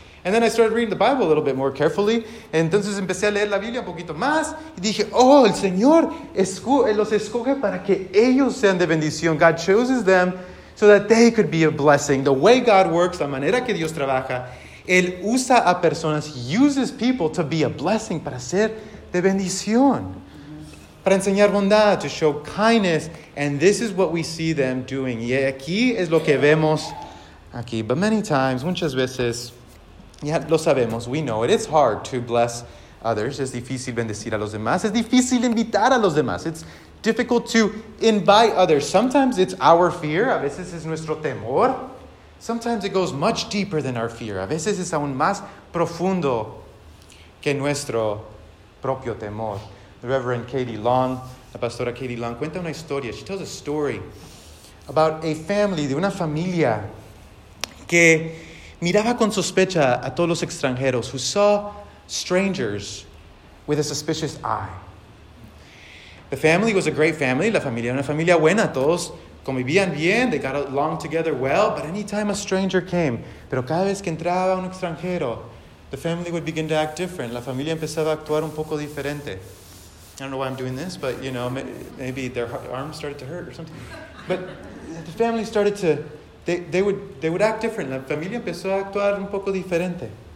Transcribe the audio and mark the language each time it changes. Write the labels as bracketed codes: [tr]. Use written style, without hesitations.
[en] And then I started reading the Bible a little bit more carefully. [es] Entonces empecé a leer la Biblia un poquito más. Y dije, oh, el Señor los escoge para que ellos sean de bendición. [en] God chooses them so that they could be a blessing. The way God works, [es] la manera que Dios trabaja, Él usa a personas, [en] uses people to be a blessing, [es] para ser de bendición. Para enseñar bondad, [en] to show kindness. And this is what we see them doing. [es] Y aquí es lo que vemos aquí. [en] But many times, [es] muchas veces, ya lo sabemos, [en] we know it. It's hard to bless others. [es] Es difícil bendecir a los demás. Es difícil invitar a los demás. [en] It's difficult to invite others. Sometimes it's our fear. [es] A veces es nuestro temor. [en] Sometimes it goes much deeper than our fear. [es] A veces es aún más profundo que nuestro propio temor. [en] The Reverend Katie Long, [es] la pastora Katie Long, cuenta una historia. [en] She tells a story about a family, [es] de una familia que miraba con sospecha a todos los extranjeros, [en] who saw strangers with a suspicious eye. The family was a great family. [es] La familia era una familia buena. Todos convivían bien. [en] They got along together well. But anytime a stranger came, [es] pero cada vez que entraba un extranjero, [en] the family would begin to act different. [es] La familia empezaba a actuar un poco diferente. [en] I don't know why I'm doing this, but, you know, maybe their arms started to hurt or something. But the family started to, they would act different. [es] La familia empezó a actuar un poco diferente.